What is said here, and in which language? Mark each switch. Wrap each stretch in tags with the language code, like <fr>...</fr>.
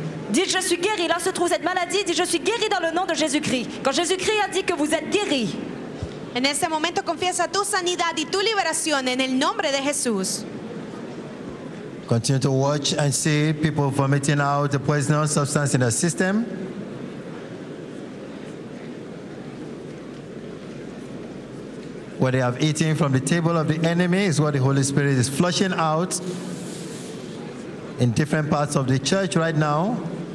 <fr>Dites je suis guéri. Là se trouve cette maladie. Dites je suis guéri dans le nom de Jésus-Christ. Quand Jésus-Christ a dit que vous êtes guéri.</fr> <es>En ese momento confiesa tu sanidad y tu liberación en el nombre de Jesús.</es> <en>Continue to watch and see people vomiting out the poisonous substance in the system. What they have eaten from the table of the enemy is what the Holy Spirit is flushing out in different parts of the church right now.</en>